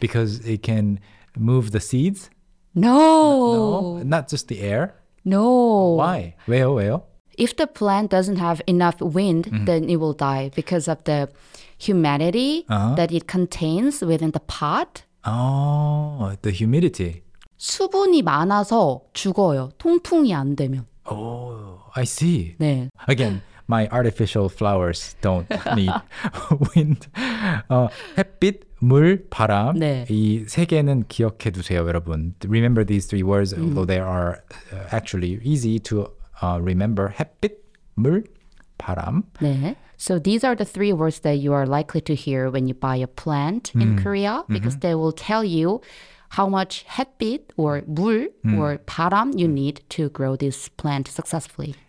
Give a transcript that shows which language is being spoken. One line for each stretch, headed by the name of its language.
English: Because it can move the seeds? No! No, not just the air? No! Why?
Korean: 왜요, 왜요?
English: If the plant doesn't have enough wind, then it will die because of the humidity that it contains within the pot. Oh, the humidity.
Korean: 수분이 많아서 죽어요, 통풍이 안 되면.
English: Oh, I see.
Korean: 네.
English: Again, my artificial flowers don't need wind.
Korean: 햇빛, 물, 바람. 네. 이 세 개는 기억해 두세요, 여러분.
English: Remember these three words, although they are actually easy to remember.
Korean: 햇빛, 물, 바람. 네.
English: So these are the three words that you are likely to hear when you buy a plant in Korea, because they will tell you how much 햇빛 or 물 or 바람 you need to grow this plant successfully.